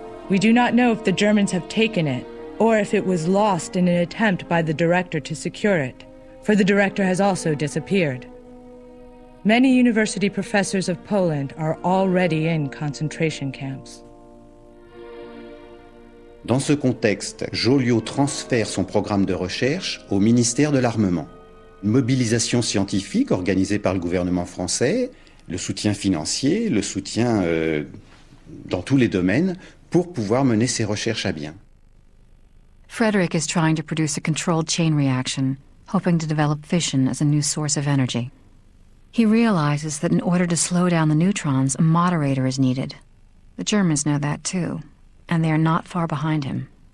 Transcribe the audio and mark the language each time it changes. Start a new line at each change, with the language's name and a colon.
English: We do not know if the Germans have taken it, or if it was lost in an attempt by the director to secure it, for the director has also disappeared. Many university professors of Poland are already in concentration camps.
French: Dans ce contexte, Joliot transfère son programme de recherche au ministère de l'Armement. Une mobilisation scientifique organisée par le gouvernement français, le soutien financier, le soutien dans tous les domaines pour pouvoir mener ses recherches à bien.
English: Frederick is trying to produce a controlled chain reaction, hoping to develop fission as a new source of energy. He realizes that in order to slow down the neutrons, a moderator is needed. The Germans know that too, and they are not far behind him.